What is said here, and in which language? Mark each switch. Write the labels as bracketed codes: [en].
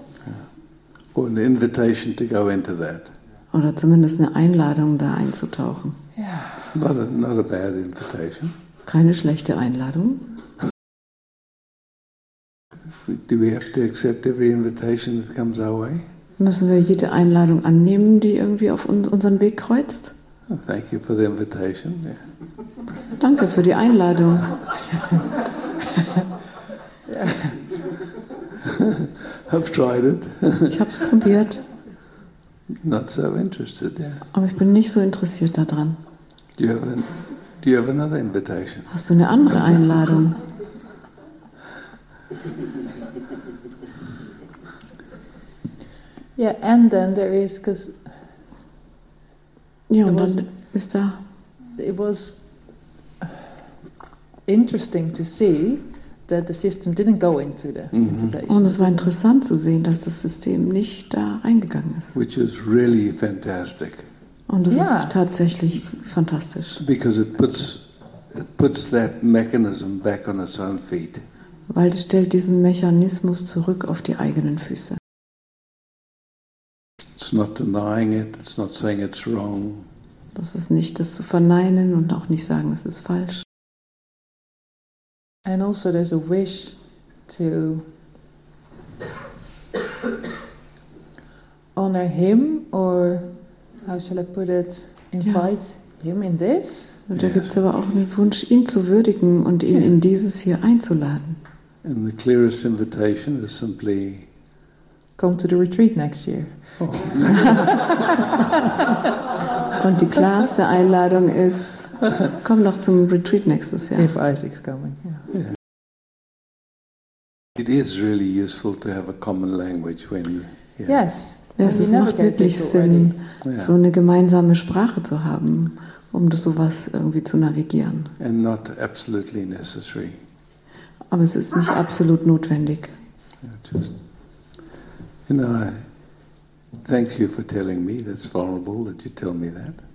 [en] Yeah. Or an invitation to go into that. [de] Oder zumindest eine Einladung, da einzutauchen. [en] Yeah. It's not a bad invitation. [de] Keine schlechte Einladung. [en] Do we have to accept every invitation that comes our way? [de] Müssen wir jede Einladung annehmen, die irgendwie auf unseren Weg kreuzt? [en] Thank you for the invitation. Yeah. [de] Danke für die Einladung. [en] I've tried it. [de] Ich habe es probiert. [en] Not so interested, yeah. [de] Aber ich bin nicht so interessiert daran. [en] Do you have another invitation? [de] Hast du eine andere Einladung? [en] Yeah, and then there is, because [de] ja, und dann ist da. [en] It was interesting to see that the system didn't go into the invitation. [de] Und es war interessant zu sehen, dass das System nicht da reingegangen ist. [en] Which is really fantastic. [de] Und es ist tatsächlich fantastisch. [en] Because it puts that mechanism back on its own feet. [de] Weil es stellt diesen Mechanismus zurück auf die eigenen Füße. [en] It's not denying it, it's not saying it's wrong. [de] Das ist nicht das zu verneinen und auch nicht sagen, es ist falsch. [en] And also there's a wish to honor him or how shall I put it, invite him in this. [de] Und da gibt es aber auch einen Wunsch, ihn zu würdigen und ihn in dieses hier einzuladen. [en] And the clearest invitation is simply come to the retreat next year. Oh. [de] Und die klarste Einladung ist, komm noch zum Retreat nächstes Jahr. [en] If Isaac's coming. Yeah. It is really useful to have a common language when. Yeah. Yes. [de] Ja, es ist macht wirklich Sinn, so eine gemeinsame Sprache zu haben, um das sowas irgendwie zu navigieren. [en] And not absolutely necessary. [de] Aber es ist nicht absolut notwendig. [en] Yeah, thank you for telling me. That's vulnerable that you tell me that.